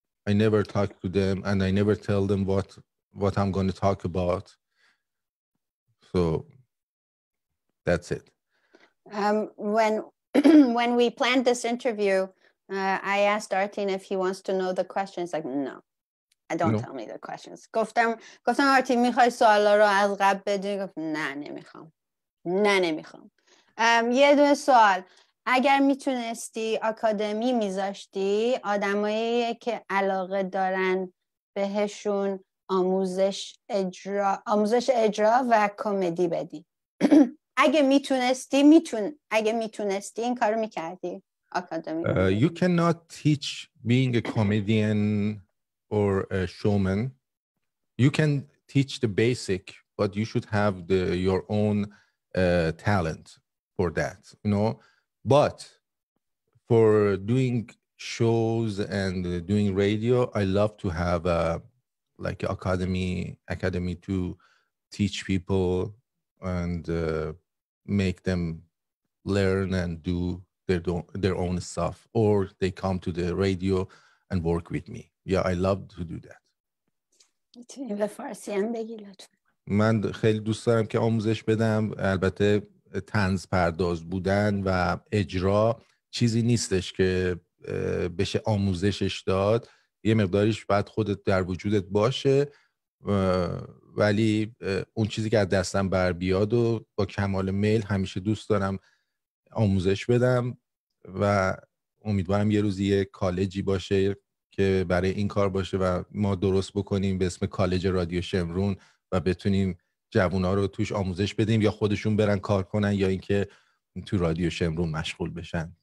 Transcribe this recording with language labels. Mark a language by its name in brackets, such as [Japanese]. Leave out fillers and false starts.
[English] I never talk to them and I never tell them what I'm going to talk about. So that's it. When we planned this interview, I asked Artin if he wants to know the questions. He's like, no. Tell me the questions. [Persian] گفتم آرتین میخوای سوالا رو از قبل بدونی؟ گفت نه نمیخوام. یه دونه سوال. اگر میتونستی آکادمی میذاشتی آدمایی که علاقه دارن بهشون آموزش اجرا و کمدی بدی. اگه میتونستی این کارو میکردی آکادمی؟ [English] You cannot teach being a comedian or a showman. You can teach the basic, but you should have your own talent for that, you know. But for doing shows and doing radio, I love to have an academy to teach people and make them learn and do their own stuff, or they come to the radio and work with me. Yeah, I love to do that. [Persian] میتونیم به فارسی هم بگی لطفا. من خیلی دوست دارم که آموزش بدم. البته طنز پرداز بودن و اجرا چیزی نیستش که بشه آموزشش داد. یه مقداریش باید خودت در وجودت باشه. ولی اون چیزی که از دستم بر بیاد و با کمال میل همیشه دوست دارم آموزش بدم و امیدوارم یه روزی یه کالجی باشه که برای این کار باشه و ما درست بکنیم به اسم کالج رادیو شمرون و بتونیم جوونا رو توش آموزش بدیم یا خودشون برن کار کنن یا اینکه تو رادیو شمرون مشغول بشن.